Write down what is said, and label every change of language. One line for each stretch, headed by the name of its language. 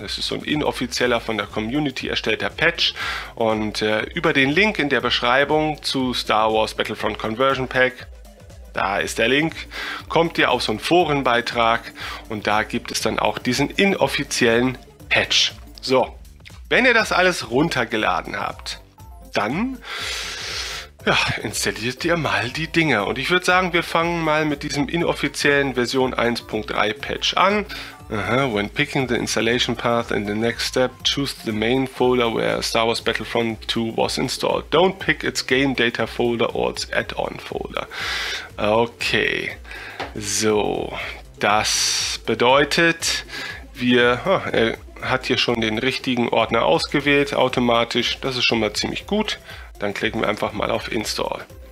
German: Es ist so ein inoffizieller, von der Community erstellter Patch. Und über den Link in der Beschreibung zu Star Wars Battlefront Conversion Pack, da ist der Link, kommt ihr auf so einen Forenbeitrag und da gibt es dann auch diesen inoffiziellen Patch. So, wenn ihr das alles runtergeladen habt, dann installiert ihr mal die Dinge. Und ich würde sagen, wir fangen mal mit diesem inoffiziellen Version 1.3 Patch an.
English: When picking the installation path in the next step, choose the main folder where Star Wars Battlefront 2 was installed. Don't pick its game data folder or its add-on folder.
German: Okay, so, das bedeutet, er hat hier schon den richtigen Ordner ausgewählt, automatisch. Das ist schon mal ziemlich gut. Dann klicken wir einfach mal auf Install.